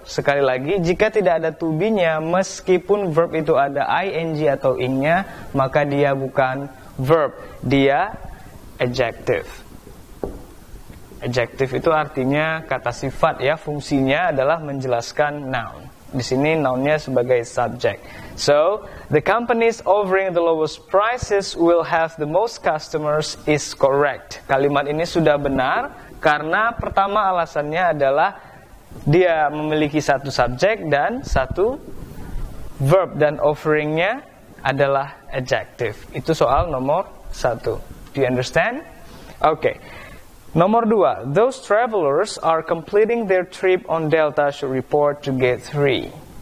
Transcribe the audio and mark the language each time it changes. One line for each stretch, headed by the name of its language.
Indonesian: Sekali lagi, jika tidak ada to be-nya meskipun verb itu ada ing atau ing-nya, maka dia bukan verb, dia adjective. Adjective itu artinya kata sifat ya, fungsinya adalah menjelaskan noun. Di sini nounnya sebagai subject.
English: So, the companies offering the lowest prices will have the most customers is correct.
Indonesian: Kalimat ini sudah benar karena pertama alasannya adalah dia memiliki satu subject dan satu verb dan offeringnya adalah adjective. Itu soal nomor satu.
English: Do you understand? Okay.
Indonesian: Nomor dua,
English: those travelers are completing their trip on Delta should report to gate 3.